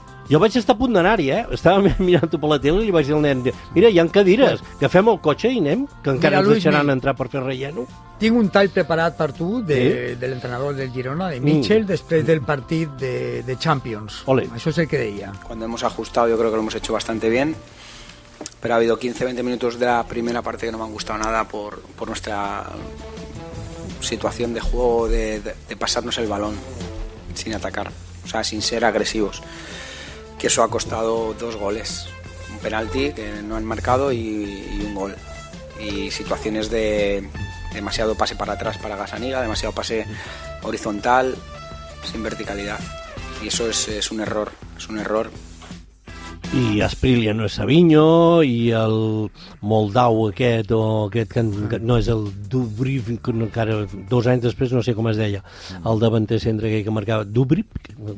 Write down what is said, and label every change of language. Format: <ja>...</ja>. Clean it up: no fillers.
<ca>Jo vaig estar a punt d'anar-hi, Estava mirant-ho per la tele i li vaig dir al nen, mira, hi ha cadires, que fem el cotxe i anem, que encara ens deixaran entrar per fer relleno. Tinc un tall preparat per tu de l'entrenador del Girona, de Mitchell, després del partit de Champions. Ole. Això és el que deia.</ca> <es>Cuando hemos ajustado, yo creo que lo hemos hecho bastante bien, pero ha habido 15-20 minutos de la primera parte que no me han gustado nada por nuestra situación de juego, de pasarnos el balón sin atacar, o sea, sin ser agresivos. Que eso ha costado dos goles, un penalti que no han marcado y un gol. Y situaciones de demasiado pase para atrás para Gazzaniga, demasiado pase horizontal, sin verticalidad. Y eso es un error, es un error.</es> <ca>I Asprilia no és Savinho, i el Moldau aquest, o aquest que no és el Dubrovnik, encara dos anys després no sé com es deia, el davanter centre aquell que marcava Dubrovnik.</ca>